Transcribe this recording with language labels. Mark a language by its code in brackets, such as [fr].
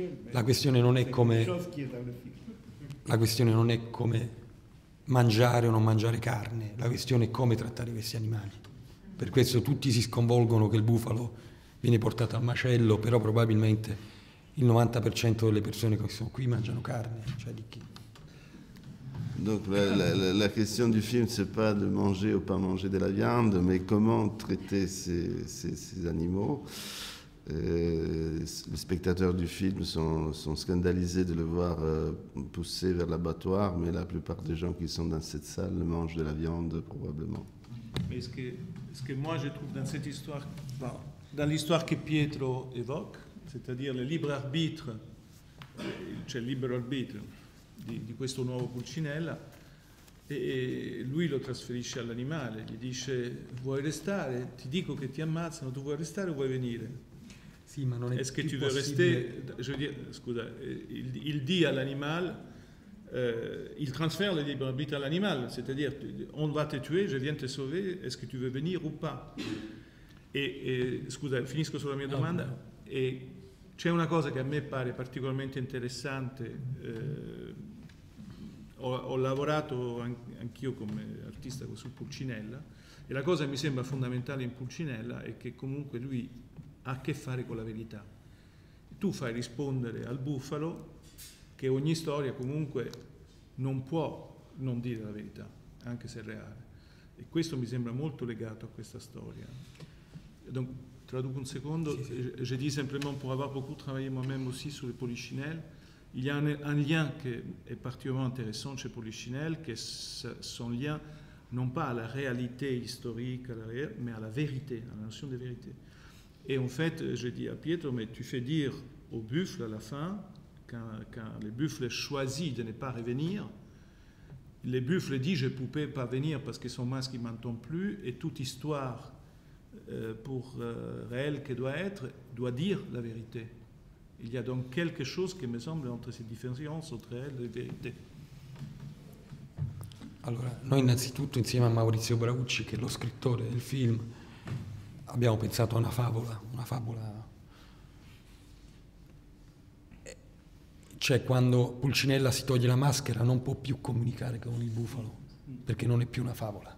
[it] La questione non è come mangiare o non mangiare carne, la questione è come trattare questi animali. Per questo tutti si sconvolgono che il bufalo viene portato al macello, però probabilmente il 90% delle persone che sono qui mangiano carne, cioè di chi? [fr] Donc la question du film, c'est pas de manger ou pas manger de la viande, mais comment traiter ces animaux. Les spectateurs du film sont scandalisés de le voir pousser vers l'abattoir, mais la plupart des gens qui sont dans cette salle mangent de la viande probablement. Mais ce que moi je trouve dans cette histoire, dans l'histoire que Pietro évoque, c'est-à-dire le libre arbitre, [it] cioè libero arbitre di questo nuovo Pulcinella, e lui lo trasferisce all'animale, gli dice: vuoi restare? Ti dico che ti ammazzano, tu vuoi restare o vuoi venire? Sì, ma non è [fr] est-ce que tu [it] possibile. [fr] Veux rester? Je veux dire, scusa, il dit à l'animal, il transfère le libre arbitre à l'animal, c'est-à-dire, on va te tuer, je viens te sauver, est-ce que tu veux venir ou pas? [it] Scusa, finisco sulla mia domanda. Okay. E c'è una cosa che a me pare particolarmente interessante, ho lavorato anch'io come artista su Pulcinella, e la cosa che mi sembra fondamentale in Pulcinella è che comunque lui ha a che fare con la verità. Tu fai rispondere al bufalo che ogni storia comunque non può non dire la verità, anche se è reale. E questo mi sembra molto legato a questa storia. Donc, traduco un secondo. Sì. [fr] Je dis simplement, pour avoir beaucoup travaillé moi-même aussi sur les Pulcinelles, il y a un lien qui est particulièrement intéressant chez Pulcinelles, qui est son lien non pas à la réalité historique, mais à la vérité, à la notion de vérité. Et en fait, je dis à Pietro, mais tu fais dire au buffle à la fin, quand le buffle choisit de ne pas revenir, le buffle dit je ne pouvais pas venir parce que son masque ne m'entend plus, et toute histoire pour réelle que doit être, doit dire la vérité. Il y a donc quelque chose qui me semble entre ces différences, entre réelle et vérité. [it] Alors, nous, innanzitutto, insieme à Maurizio Braucci, [fr] qui est le [it] scrittore du film, abbiamo pensato a una favola. Cioè, quando Pulcinella si toglie la maschera non può più comunicare con il bufalo, perché non è più una favola.